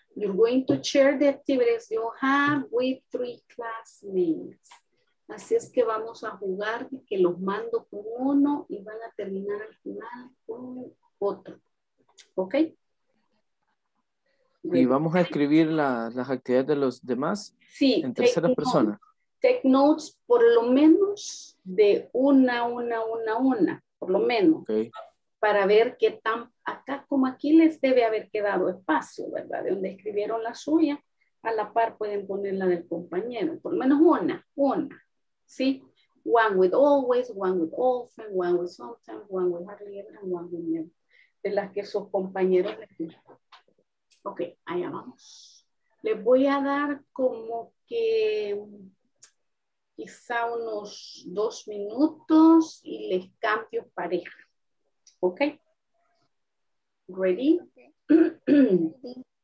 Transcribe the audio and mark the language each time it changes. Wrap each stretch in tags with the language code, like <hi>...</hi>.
<en>You're going to share the activities you have with three classmates.</en> <es>Así es que vamos a jugar de que los mando con uno y van a terminar al final con otro. Ok. ¿Y vamos a escribir las actividades de los demás? Sí, en tercera persona.</es> <en>Take notes</en> <es>por lo menos de una, por lo menos. Okay. Para ver qué tan acá como aquí les debe haber quedado espacio, ¿verdad? De donde escribieron la suya, a la par pueden poner la del compañero, por lo menos una, ¿sí?</es> <en>One with always, one with often, one with sometimes, one with hardly ever, and one with never.</en> <es>De las que sus compañeros les dicen. Ok, allá vamos. Les voy a dar como que quizá unos 2 minutos y les cambio pareja.</es> <en>Ok. Ready? Okay.</en>